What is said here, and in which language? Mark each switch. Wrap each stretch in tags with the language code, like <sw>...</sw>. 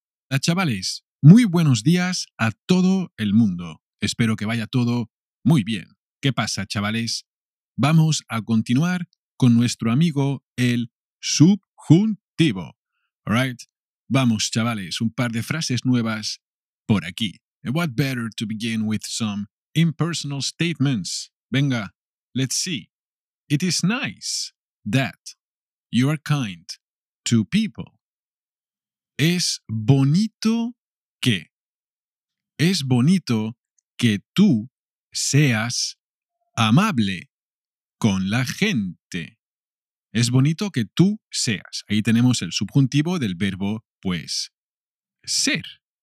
<es>Hola chavales, muy buenos días a todo el mundo. Espero que vaya todo muy bien. ¿Qué pasa chavales? Vamos a continuar con nuestro amigo el subjuntivo.</es> <en>All right.</en> <es>Vamos chavales, un par de frases nuevas. Por aquí.</es> <en>What better to begin with some impersonal statements? Venga, let's see. It is nice that you are kind to people.</en> <es>Es bonito que. Es bonito que tú seas amable con la gente. Es bonito que tú seas. Ahí tenemos el subjuntivo del verbo, pues, ser.</es>